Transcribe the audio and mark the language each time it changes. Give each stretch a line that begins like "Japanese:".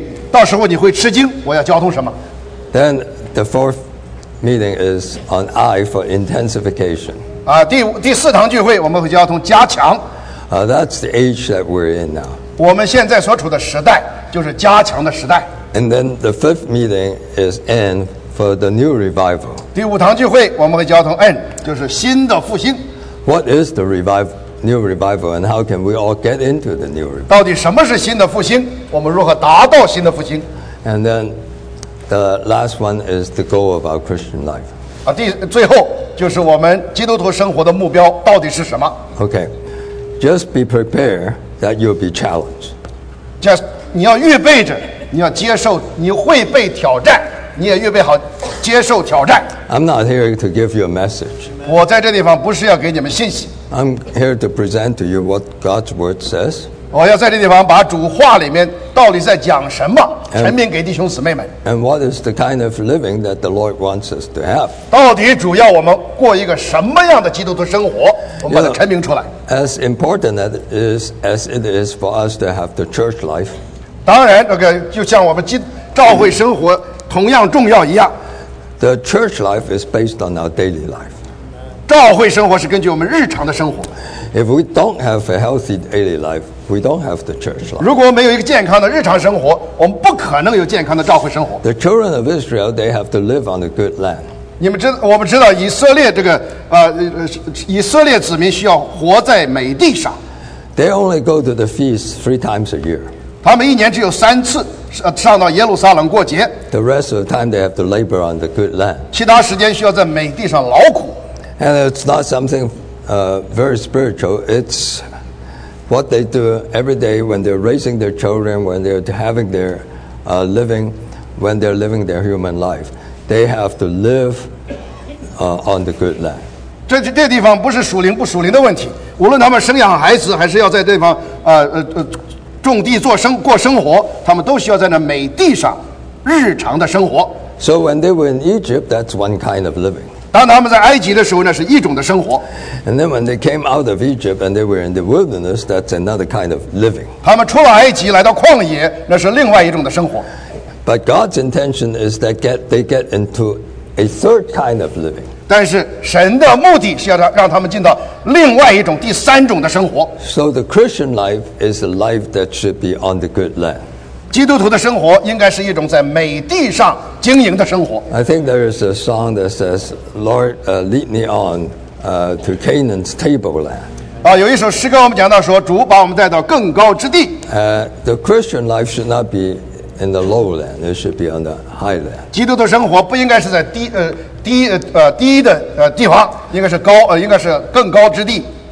Chinese: 到时候你会吃惊，我要交通什么
English: ？Then the fourth meeting is on I for intensification.
Chinese: 第四堂聚会我们会交通加强。
English: That's the age that we're in now.
Chinese: 我们现在所处的时代就是加强的时代。
English: And then the fifth meeting is N for the new revival.
Chinese: 第五堂聚会我们会交通 N 就是新的复兴
English: What is the revival, new revival and how can we all get into the new revival
Chinese: 到底什么是新的复兴我们如何达到新的复兴
English: And then the last one is the goal of our Christian life、
Chinese: 啊、最后就是我们基督徒生活的目标到底是什么
English: Okay Just be prepared that you'll be challenged
Chinese: Just 你要预备着你要接受你会被挑战你也预备好接受挑战
English: I'm not here to give you a message
Chinese: 我在这地方不是要给你们信息
English: I'm here to present to you what God's word says
Chinese: 我要在这地方把主话里面到底在讲什么陈明给弟兄姊妹们
English: and what is the kind of living that the Lord wants us to have
Chinese: 到底主要我们过一个什么样的基督徒生活我们把它陈明出来
English: you know, as important that is, as it is for us to have the church life
Chinese: 当然、okay, 就像我们教会生活同样重要一样
English: The church life is based on our daily life
Chinese: 教会生活是根据我们日常的生活
English: If we don't have a healthy daily life We don't have the church life
Chinese: 如果没有一个健康的日常生活我们不可能有健康的教会生活
English: The children of Israel They have to live on a good land
Chinese: 你们知道我们知道以色列这个以色列子民需要活在美地上
English: They only go to the feast three times a year
Chinese: 他们一年只有三次上到耶路撒冷过节
English: The rest of the time they have to labor on the good land
Chinese: 其他时间需要在美地上劳苦
English: And it's not something very spiritual It's what they do every day when they're raising their children When they're having their living When they're living their human life They have to live on the good land
Chinese: 这地方不是属灵不属灵的问题无论他们生养孩子还是要在这地方种地做生过生活他们都需要在那美地上日常的生活
English: So when they were in Egypt that's one kind of living
Chinese: 当他们在埃及的时候那是一种的生活
English: And then when they came out of Egypt and they were in the wilderness that's another kind of living
Chinese: 他们出了埃及来到旷野那是另外一种的生活
English: But God's intention is that they get into a third kind of living
Chinese: 但是神的目的是要让他们进到另外一种第三种的生活
English: So the Christian life is a life that should be on the good land
Chinese: 基督徒的生活应该是一种在美地上经营的生活
English: I think there is a song that says Lord lead me on to Canaan's table land
Chinese: 啊，有一首诗歌我们讲到说主把我们带到更高之地
English: The Christian life should not be in the low land It should be on the high land
Chinese: 基督徒生活不应该是在低的地方应该是高应该是更高之地